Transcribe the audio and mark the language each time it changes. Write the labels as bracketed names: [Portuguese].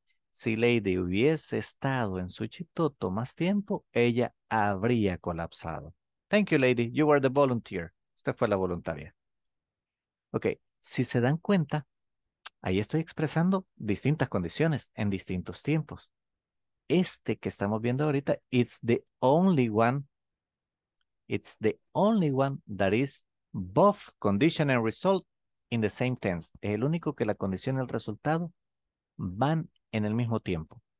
[Spanish] Si Lady hubiese estado en Suchitoto más tiempo, ella habría colapsado. [English] Thank you, Lady. You were the volunteer. [Spanish] Usted fue la voluntaria. Ok, si se dan cuenta, ahí estoy expresando distintas condiciones en distintos tiempos. Este que estamos viendo ahorita, [English] it's the only one that is both condition and result in the same tense. [Spanish] Es el único que la condición y el resultado van en el mismo tiempo.